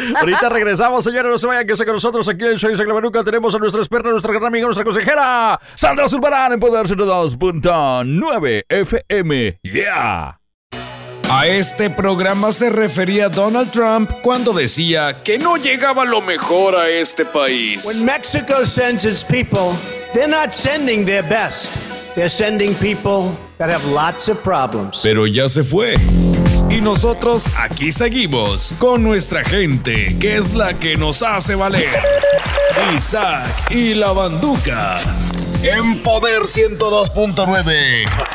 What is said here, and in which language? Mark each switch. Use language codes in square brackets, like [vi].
[es] Ahorita regresamos, señores, no se vayan, que sé que nosotros aquí en Show de la Banduca tenemos a nuestra experta, a nuestra gran amiga, a nuestra consejera, Sandra Zurbarán, en Poder 102.9 FM. Yeah. A este programa se refería Donald Trump cuando decía que no llegaba lo mejor a este país. [en] When Mexico sends its people, they're not sending their best. They're sending people that have lots of problems. [es] Pero ya se fue. Y nosotros aquí seguimos con nuestra gente, que es la que nos hace valer. Isaac y la Banduca. En Poder 102.9.